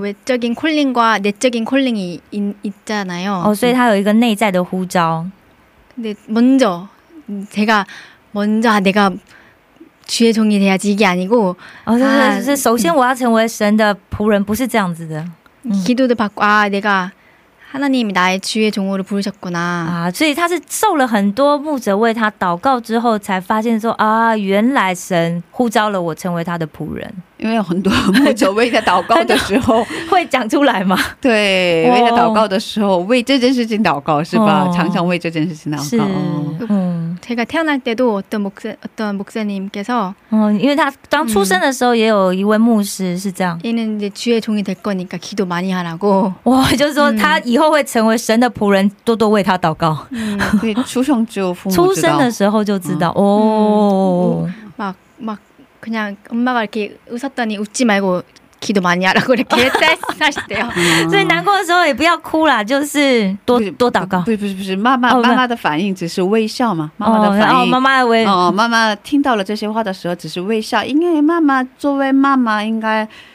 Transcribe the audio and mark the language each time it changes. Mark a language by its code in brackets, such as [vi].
[ko] 외적인 콜링과 내적인 콜링이 있잖아요. [zh] 哦，所以他有一个内在的呼召。 [ko] 근데 먼저 제가 먼저 내가 주의 종이 돼야지 이게 아니고. [zh] 哦，就是首先我要成为神的仆人，不是这样子的。 [ko] 기도도 받고 아 내가 하나님이 나의 주의 종으로 부르셨구나. [zh] 아, 所以他是受了很多牧者为他祷告之后，才发现说啊，原来神呼召了我成为他的仆人。因为很多牧者为他祷告的时候，会讲出来吗？对，为他祷告的时候，为这件事情祷告是吧？常常为这件事情祷告。嗯。 [ko] 제가 태어날 때도 어떤 목사님께서 [zh] 因为他刚出生的时候也有一位牧师是这样。 [ko] 얘는 이제 주의 종이 될 거니까 기도 많이 하라고. [zh] 哇，就是说他以后会成为 神的仆人，多多为他祷告。出生的时候就知道哦，막 [ko] 그냥 엄마가 이렇게 웃었더니 웃지 말고 기도 많이 하라고 이렇게 [zh] 했었대요。所以难过的时候也不要哭啦，就是多多祷告。不是，妈妈的反应只是微笑嘛，妈妈的反应。哦，妈妈听到了这些话的时候只是微笑，因为妈妈作为妈妈应该。